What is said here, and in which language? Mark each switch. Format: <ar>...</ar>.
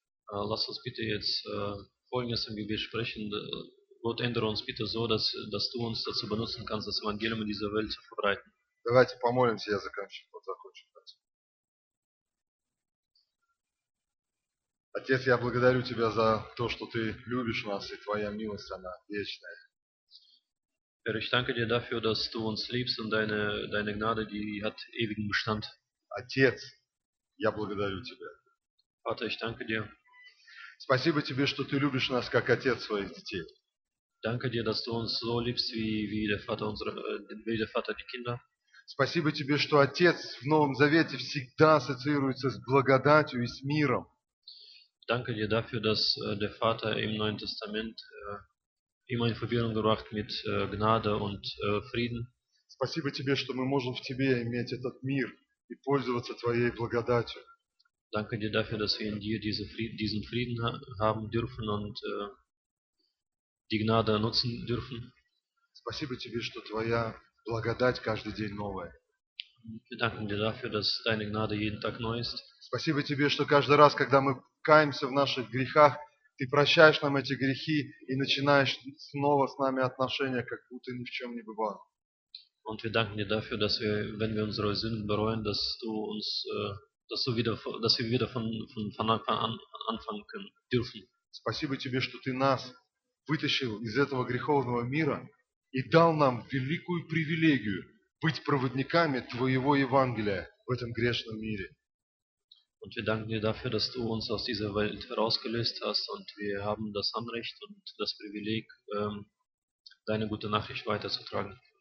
<ru>Давайте помолимся, я закончу. Отец, я благодарю Тебя за то, что Ты любишь нас, и Твоя милость, она вечная.</ru> <de>Herr, ich danke dir dafür, dass du uns liebst und deine Gnade, die hat ewigen Bestand.</de> <ru>Отец, я благодарю Тебя.</ru> <de>Vater, ich danke dir.</de> <ru>Спасибо Тебе, что Ты любишь нас, как отец своих детей.</ru> <de>Danke dir, dass du uns so liebst wie der Vater wie der Vater die Kinder.</de> <ru>Спасибо тебе, что Отец в Новом Завете всегда ассоциируется с благодатью и с миром.</ru> <de>Danke dir dafür, dass der Vater im Neuen Testament immer in Verbindung gebracht mit Gnade und Frieden.</de> <ru>Спасибо тебе, что мы можем в тебе иметь этот мир и пользоваться твоей благодатью.</ru> <de>Danke dir dafür, dass wir in dir diesen Frieden haben dürfen und die Gnade nutzen dürfen.</de> <ru>Спасибо тебе, что твоя благодать каждый день новая.</ru> <de>Wir danken dir dafür, dass deine Gnade jeden Tag neu ist.</de> <ru>Спасибо тебе, что каждый раз, когда мы каемся в наших грехах, ты прощаешь нам эти грехи и начинаешь снова с нами отношения, как будто ни в чем не бывало.</ru> <de>Und wir danken dir dafür, dass wir, wenn wir unsere Sünden bereuen, dass du uns, dass wir wieder von Anfang an anfangen können, dürfen.</de> <ru>Спасибо тебе, что ты нас вытащил из этого греховного мира и дал нам великую привилегию быть проводниками твоего Евангелия в этом грешном мире.</ru> <de>Und wir danken dir dafür, dass du uns aus dieser Welt herausgelöst hast und wir haben das Anrecht und das Privileg, deine gute Nachricht weiterzutragen.</de>